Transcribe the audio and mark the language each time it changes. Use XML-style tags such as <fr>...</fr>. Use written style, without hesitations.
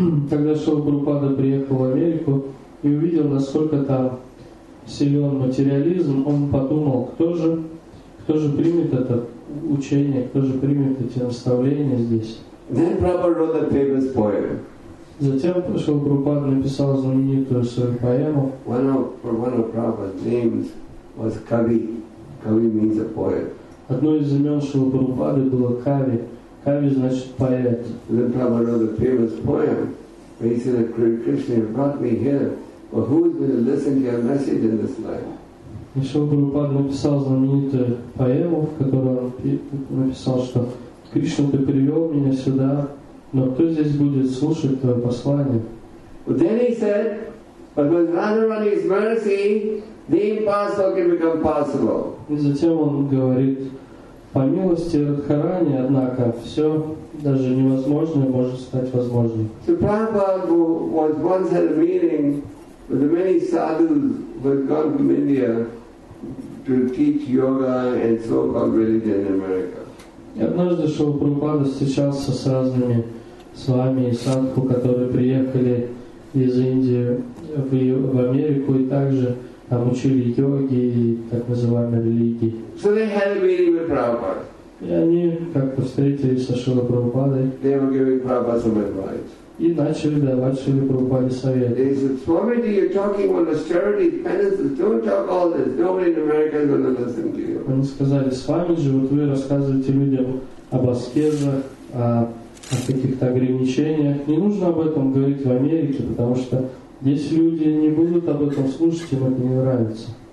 <ru>Когда Шрила Прабхупада приехал в Америку и увидел, насколько там силен материализм, он подумал, кто же примет это учение, кто же примет эти наставления здесь.</ru> <en>Then Prabhupada wrote the famous poem.</en> <ru>Затем Шрила Прабхупада написал знаменитую свою поэму.</ru> <en>One of Prabhupada's names was Kavi. Kavi means a poet.</en> <ru>Одно из имен Шрила Прабхупады было Кави. Кави значит поэт.</ru> <en>Then Prabhupada wrote a famous poem where he said, Krishna, you brought me here, but who is going to listen to your message in this life?</en> <ru>Шрила Прабхупада написал знаменитую поэму, в которой он написал, что Кришна, ты привел меня сюда, но кто здесь будет слушать твое послание?</ru> <en>But then he said, but with Radharani's mercy, the impossible can become possible.</en> <ru>И затем он говорит, по милости Радхарани, однако, все, даже невозможное, может стать возможным.</ru> <en>So Prabhupada once had a meeting with the many sadhus who had gone from India to teach yoga and so-called religion in America.</en> <ru>И однажды Шрила Прабхупада встречался с разными с вами и Садху, которые приехали из Индии в Америку и также там учили йоги и так называемые религии.</ru> <en>So they had a meeting with Prabhupada.</en> <ru>И они как-то встретились со Шрилой Прабхупадой.</ru> <en>They were giving Prabhupada some advice.</en> <ru>И начали давать Шриле Прабхупаде совет.</ru> <en>They said, Swamiji, you're talking about austerity, penances, don't talk all this. Nobody in America is going to listen to you.</en> <ru>Они сказали, Свамиджи, вот вы рассказываете людям об аскезах, о каких-то ограничениях. Не нужно об этом говорить в Америке, потому что здесь люди не будут об этом слушать, им это не нравится.</ru>